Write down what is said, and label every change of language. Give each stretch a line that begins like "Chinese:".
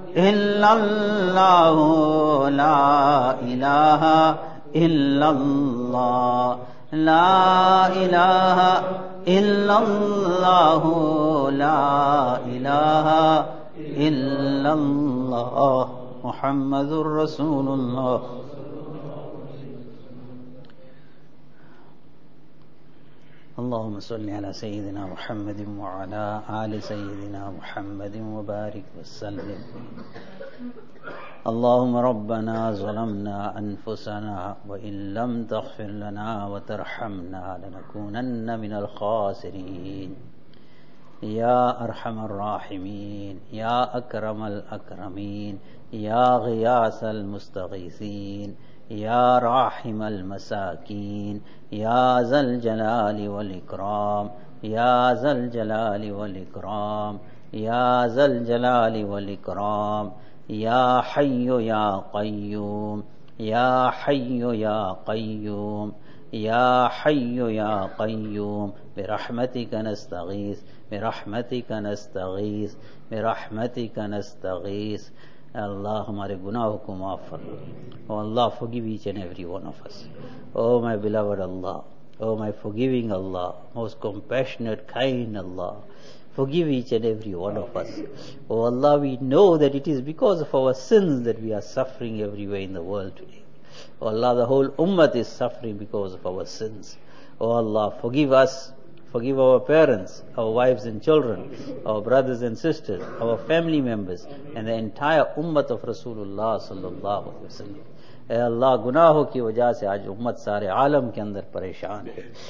Arabic: الا اللہ، لا الہ الا اللہ، لا الہ الا اللہ، لا الہ الا اللہ، محمد رسول اللہ. اللهم صل على سيدنا محمد وعلى آل سيدنا محمد وبارك وسلم. اللهم ربنا ظلمنا أنفسنا وإن لم تغفر لنا وترحمنا لنكونن من الخاسرين. يا أرحم الراحمين، يا أكرم الأكرمين، يا غياث المستغيثين، يا راحم المساكين، يا ذا الجلال والإكرام، يا ذا الجلال والإكرام، يا ذا الجلال والإكرام، يا حي يا قيوم، يا حي يا قيوم، يا حي يا قيوم، برحمتك نستغيث، برحمتك نستغيث، برحمتك نستغيث.
Urdu: اللہ ہمارے گناہوں کو معاف فرمائے.
English: Allah forgive each and every one of us. O my beloved Allah, O my forgiving Allah, most compassionate kind Allah, forgive each and every one of us. O Allah, we know that it is because of our sins that we are suffering every way in the world today. O Allah, the whole امت is suffering because of our sins. O Allah, forgive us. Forgive our parents, our wives and children, our brothers and sisters, our family members, and the entire ummat of Rasulullah
Arabic: sallallahu alaihi wasallam.
Urdu: اے اللہ، گناہوں کی وجہ سے آج امت سارے عالم کے اندر پریشان ہے.